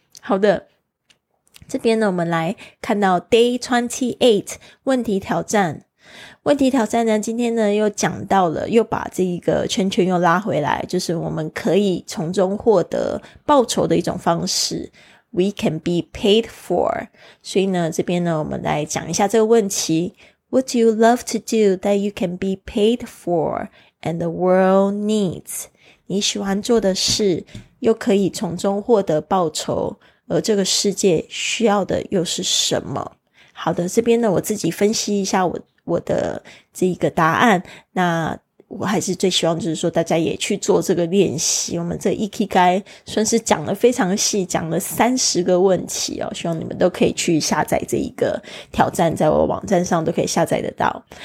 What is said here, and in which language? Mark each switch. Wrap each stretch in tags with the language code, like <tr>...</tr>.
<zh>好的，这边呢我们来看到 Day 28, 问题挑战。问题挑战呢，今天呢又讲到了，又把这一个圈圈又拉回来，就是我们可以从中获得报酬的一种方式，</zh> <en>We can be paid for。</en> <zh>所以呢这边呢我们来讲一下这个问题，</zh> <en>What do you love to do that you can be paid for and the world needs？</en> <zh>你喜欢做的事又可以从中获得报酬，而这个世界需要的又是什么？好的，这边呢我自己分析一下我的这个答案。那我还是最希望就是说大家也去做这个练习，我们这 Ikigai 算是讲了非常细，讲了30个问题哦，希望你们都可以去下载这一个挑战，在我网站上都可以下载得到。</zh>